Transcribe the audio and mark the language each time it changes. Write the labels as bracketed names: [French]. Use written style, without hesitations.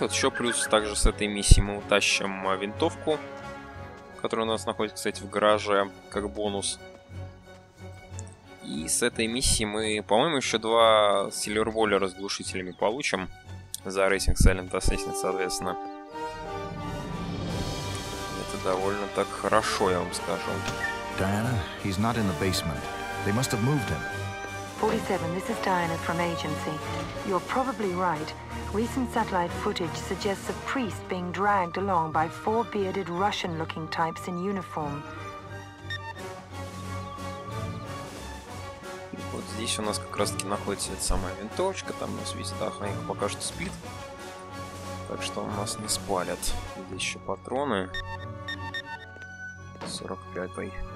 [Russian] Вот еще плюс также с этой миссией мы утащим винтовку, которая у нас находится, кстати, в гараже, как бонус. И с этой миссией мы, по-моему, еще два сильвербойлера с глушителями получим за рейтинг Silent Assassin, соответственно. Это довольно так хорошо, я вам скажу. [English] Diana, he's not in the basement. They must have moved him. 47, this is Diana from Agency. You're probably right. Recent satellite footage suggests a priest being dragged along by four bearded Russian-looking types in uniform. [Russian] Вот здесь у нас как раз-таки находится эта самая винтовочка, там у нас висит, ах, она их пока что спит. Так что у нас не спалят. Здесь еще патроны. 45-й.